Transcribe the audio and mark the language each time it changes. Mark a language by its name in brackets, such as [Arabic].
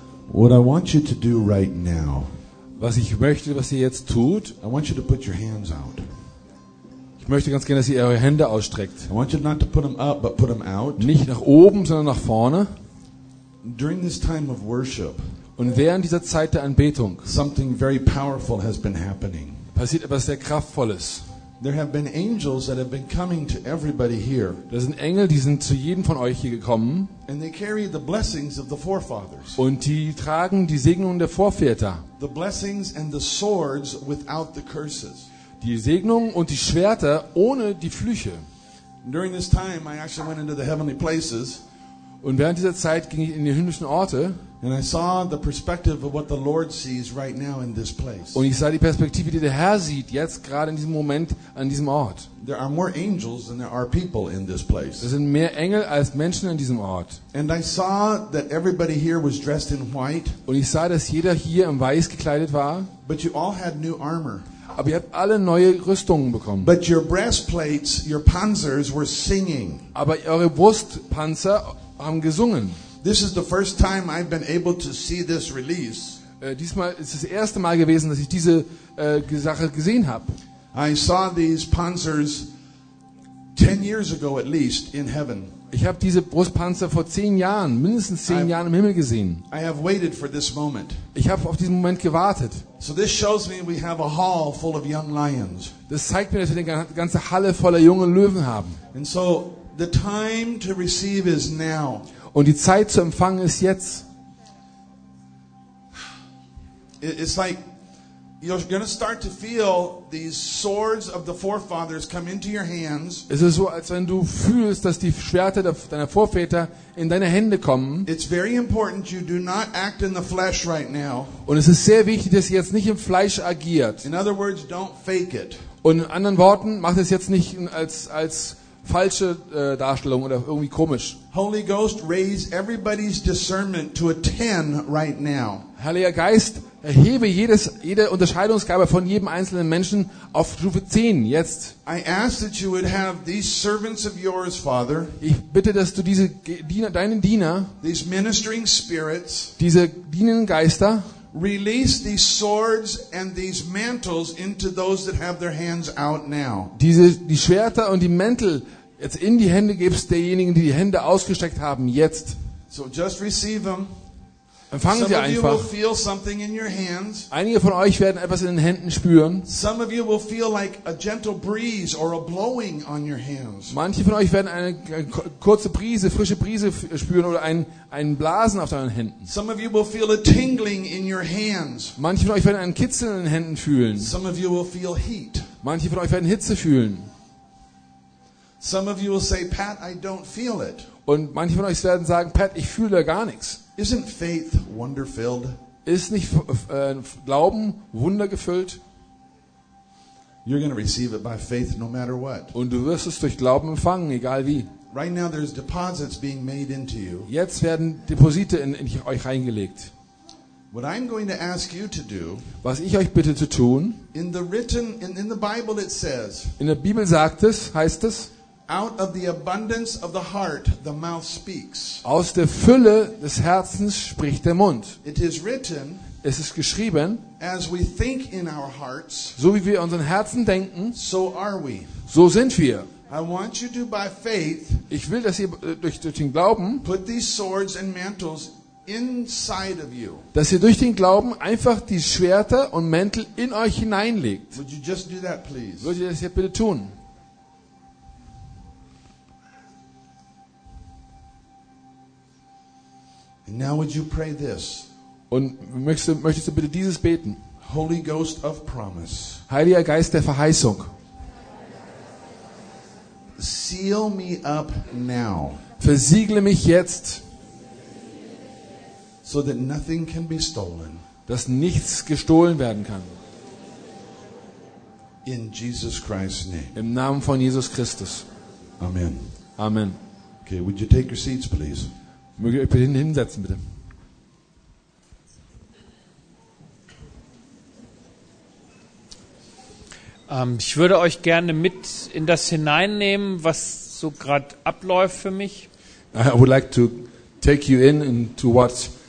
[English] What I want you to do right now. [German] Was ich möchte, was ihr jetzt tut. [English] I want you to put your hands out. [German] Ich möchte ganz gerne, dass ihr eure Hände ausstreckt. [English] I want you not to put them up, but put them out. [German] Nicht nach oben, sondern nach vorne. [English] During this time of worship. [German] Und während dieser Zeit der Anbetung. [English] Something very powerful has been happening. [German] Passiert etwas sehr Kraftvolles. [English] There have been angels that have been coming to everybody here. [German] Da sind Engel, die sind zu jedem von euch hier gekommen. [English] And they carry the blessings of the forefathers. [German] Und die tragen die Segnungen der Vorväter. [English] The blessings and the swords without the curses. [German] Die Segnungen und die Schwerter ohne die Flüche. [English] During this time I actually went into the heavenly places. [German] Und während dieser Zeit ging ich in die himmlischen Orte. [English] And I saw the perspective of what the Lord sees right now in this place. [German] Und ich sah die Perspektive, die der Herr sieht jetzt gerade in diesem Moment an diesem Ort. [English] There are more angels than there are people in this place. [German] Es sind mehr Engel als Menschen in diesem Ort. [English] And I saw that everybody here was dressed in white. [German] Und ich sah, dass jeder hier in weiß gekleidet war. [English] But you all had new armor. [German] Aber ihr habt alle neue Rüstungen bekommen. [English] But your breastplates, your panzers were singing. [German] Aber eure Brustpanzer haben gesungen. [English] This is the first time I've been able to see this release. [German] Diesmal ist das erste Mal gewesen, dass ich diese Sache gesehen habe. [English] I saw these panzers 10 years ago at least in heaven. [German] Ich habe diese Brustpanzer vor 10 Jahren, mindestens 10 Jahren im Himmel gesehen. [English] I have waited for this moment. [German] Ich habe auf diesen Moment gewartet. [English] So this shows me we have a hall full of young lions. [German] Das zeigt mir, dass wir eine ganze Halle voller jungen Löwen haben. [English] And so the time to receive is now. [German] Und die Zeit zu empfangen ist jetzt. [English] It's like you're going to start to feel these swords of the forefathers come into your hands. [German] Es ist so, als wenn du fühlst, dass die Schwerter deiner Vorväter in deine Hände kommen. [English] It's very important you do not act in the flesh right now. [German] Und es ist sehr wichtig, dass ihr jetzt nicht im Fleisch agiert. [English] In other words, don't fake it. [German] Und in anderen Worten, macht es jetzt nicht als falsche Darstellung oder irgendwie komisch. [English] Holy Ghost, raise everybody's discernment to a 10 right now. [German] Heiliger Geist, erhebe jede Unterscheidungsgabe von jedem einzelnen Menschen auf Stufe 10 jetzt. [English] I ask that you would have these servants of yours, Father. [German] Ich bitte, dass du diese Diener, deinen Diener, [English] these ministering spirits, [German] diese dienenden Geister, [English] release these swords and these mantles into those that have their hands out now. [German] Die Schwerter und die Mäntel jetzt in die Hände gibst derjenigen, die Hände ausgestreckt haben jetzt. [English] So just receive them. [German] Empfangen [English] Some [German] sie einfach. [English] Of you will feel something in your hands. [German] Einige von euch werden etwas in den Händen spüren. [English] Some of you will feel like a gentle breeze or a blowing on your hands. [German] Manche von euch werden eine kurze Brise, frische Brise spüren oder ein Blasen auf deinen Händen. [English] Some of you will feel a tingling in your hands. [German] Manche von euch werden einen Kitzeln in den Händen fühlen. [English] Some of you will feel heat. [German] Manche von euch werden Hitze fühlen. [English] Some of you will say, "Pat, I don't feel it." [German] Und manche von euch werden sagen, Pat, ich fühle da gar nichts. [English] Isn't faith wonder-filled? [German] Ist nicht Glauben wundergefüllt? [English] You're going to receive it by faith no matter what. [German] Und du wirst es durch Glauben empfangen, egal wie. [English] Right now there's deposits being made into you. [German] Jetzt werden Deposite in euch reingelegt. [English] What I'm going to ask you to do, [German] was ich euch bitte zu tun, [English] in the Bible it says, [German] in der Bibel sagt es, heißt es, [English] out of the abundance of the heart, the mouth speaks. [German] Aus der Fülle des Herzens spricht der Mund. [English] It is written. [German] Es ist geschrieben. [English] As we think in our hearts. [German] So wie wir in unseren Herzen denken. [English] So are we. [German] So sind wir. [English] I want you to, by faith. [German] Ich will, dass ihr durch den Glauben. [English] Put these swords and mantles inside of you. [German] Dass ihr durch den Glauben einfach die Schwerter und Mäntel in euch hineinlegt. [English] Would you just do that, please? [German] Würdet ihr das hier bitte tun? [English] Now would you pray this? [German] Und möchtest du bitte dieses beten? [English] Holy Ghost of promise. [German] Heiliger Geist der Verheißung. [English] Seal me up now. [German] Versiegle mich jetzt. [English] So that nothing can be stolen. [German] Dass nichts gestohlen werden kann. [English] In Jesus Christ's name. [German] Im Namen von Jesus Christus. [English] Amen. [German] Amen. [English] Okay, would you take your seats please? [German] Möge ich bitte hinsetzen, bitte. Ich würde euch gerne mit in das hineinnehmen, was so gerade abläuft für mich. [English] I would like to take you in into what